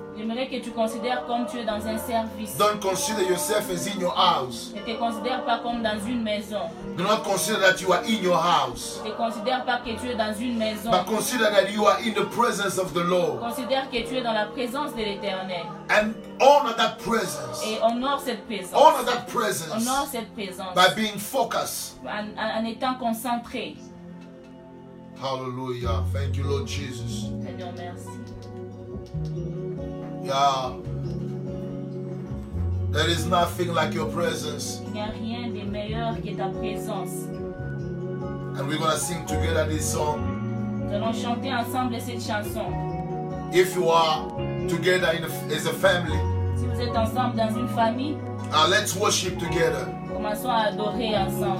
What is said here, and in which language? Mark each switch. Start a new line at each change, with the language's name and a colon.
French: J'aimerais que tu considères comme tu es dans un service.
English: Don't consider yourself as in your house.
French: Ne te considère pas comme dans une maison.
English: Do not consider that you are in your house.
French: Ne considère pas que tu es dans une maison.
English: But consider that you are in the presence of the Lord.
French: Considère que tu es dans la présence de l'Éternel.
English: And honor that presence.
French: Et honore cette présence.
English: Honor that presence.
French: Honore cette présence.
English: By being focused.
French: En étant concentré.
English: Hallelujah. Thank you, Lord Jesus.
French: Seigneur, merci.
English: Yeah. There is nothing like your presence.
French: Il n'y a rien de meilleur que ta présence.
English: And we're going to sing together this song.
French: Nous allons chanter ensemble cette chanson.
English: If you are together as a family.
French: Si vous êtes ensemble dans une famille.
English: Let's worship together.
French: Commençons à adorer ensemble.